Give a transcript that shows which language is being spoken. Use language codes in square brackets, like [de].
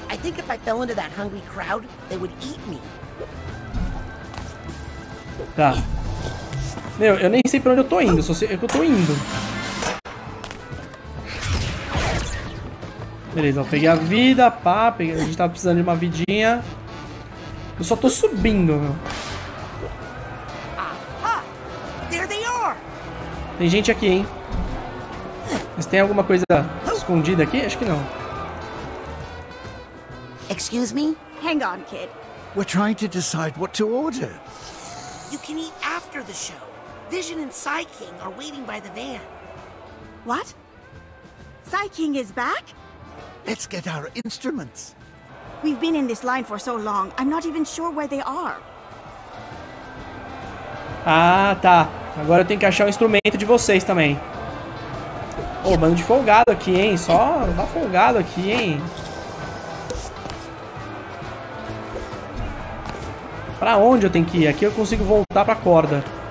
[en] I think if I fell into that hungry crowd, they would eat me. [pt] Tá. Meu, eu nem sei pra onde eu tô indo, só sei que eu tô indo. Beleza, eu peguei a vida, pá, peguei, a gente tava precisando de uma vidinha. Eu só tô subindo, meu. [en] There they are. [pt] Tem gente aqui, hein? Mas tem alguma coisa escondida aqui? Acho que não. [en] Excuse me? Hang on, kid. We're trying to decide what to order. You can eat after the show. Vision and Psy King are waiting by the van. What? Psy King is back? Let's get our instruments. We've been in this line for so long, I'm not even sure where they are. [pt] Ah, tá. Agora eu tenho que achar o instrumento de vocês também. Ô, oh, bando de folgado aqui, hein? Só dá folgado aqui, hein? Pra onde eu tenho que ir? Aqui eu consigo voltar pra corda.